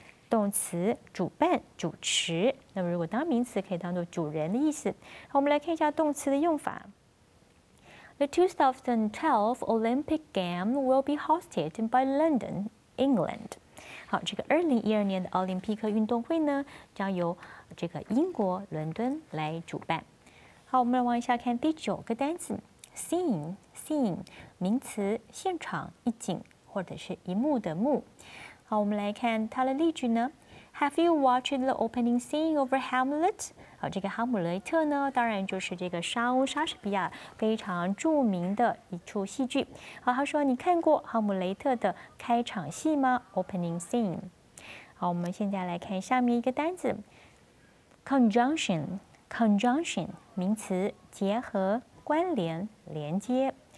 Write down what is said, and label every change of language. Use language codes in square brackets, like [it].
[zh] 动词主办、主持，那么如果当名词可以当做主人的意思。好，我们来看一下动词的用法。 [en] The 2012 Olympic Games will be hosted by London, England. [zh] 好，这个2012年的奥林匹克运动会呢，将由这个英国伦敦来主办。好，我们来往下看第九个单词 ，seen， scene 名词现场一景或者是一幕的幕。好，我们来看它的例句呢。 [en] Have you watched the opening scene of Hamlet? [zh] 好，这个哈姆雷特呢，当然就是这个莎士比亚非常著名的一出戏剧。好，他说你看过哈姆雷特的开场戏吗 ？Opening scene。好，我们现在来看下面一个单字 ，conjunction， 名词，结合、关联、连接。